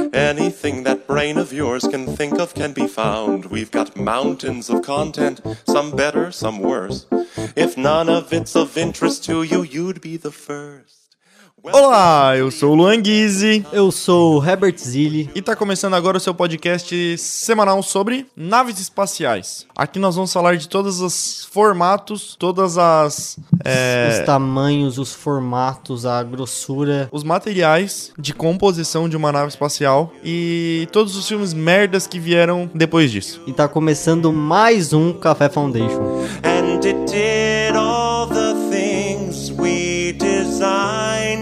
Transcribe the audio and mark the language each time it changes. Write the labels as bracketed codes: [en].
[en] Anything that brain of yours can think of can be found. We've got mountains of content, some better, some worse. If none of it's of interest to you, you'd be the first. [pt] Olá, eu sou o Luan Guizzi. Eu sou o Herbert Zilli. E tá começando agora o seu podcast semanal sobre naves espaciais. Aqui nós vamos falar de todos os formatos, todas as... Os tamanhos, os formatos, a grossura. Os materiais de composição de uma nave espacial e todos os filmes merdas que vieram depois disso. E tá começando mais um Café Foundation. [en] And it did all the things we designed.